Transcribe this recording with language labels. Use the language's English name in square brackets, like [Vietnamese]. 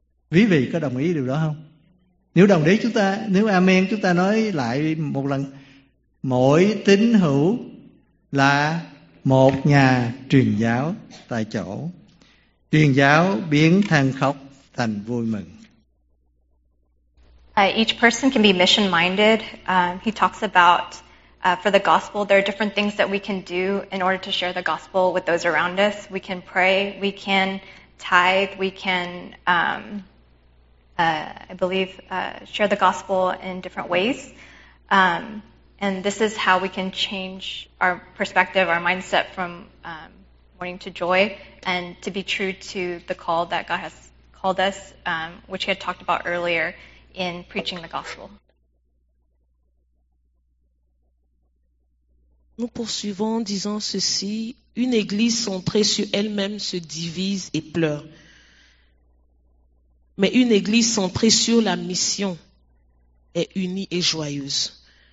[Vietnamese] Quý vị có đồng ý điều đó không? Nếu đồng ý chúng ta, nếu amen chúng ta nói lại một lần, mỗi tín hữu là một nhà truyền giáo tại chỗ. Truyền giáo biến than khóc thành vui mừng. [English] Each person can be mission minded. He talks about for the gospel, there are different things that we can do in order to share the gospel with those around us. We can pray, we can tithe, we can share the gospel in different ways. And this is how we can change our perspective, our mindset from mourning to joy, and to be true to the call that God has called us, which he had talked about earlier in preaching the gospel. [French] Nous poursuivons en disant ceci, une église centrée sur elle-même se divise et pleure. Mais une église centrée sur la mission est unie et joyeuse.